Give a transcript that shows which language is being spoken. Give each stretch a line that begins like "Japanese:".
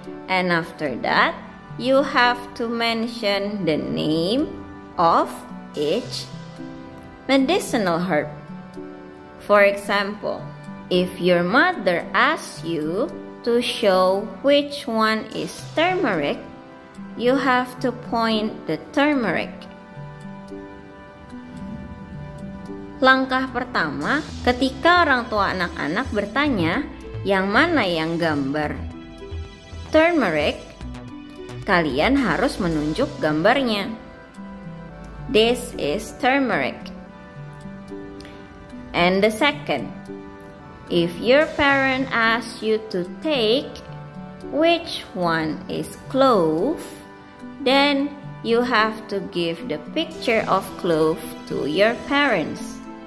English: And after that, you have to mention the name of each medicinal herb. For example, if your mother asks you to show which one is turmeric, you have to point the turmeric.
Indonesian: Langkah pertama, ketika orang tua anak-anak bertanya, yang mana yang gambar turmeric, kalian harus menunjuk gambarnya.
English: This is turmeric. And the second, if your parent asks you to take which one is clove, then you have to give the picture of clove to your parents.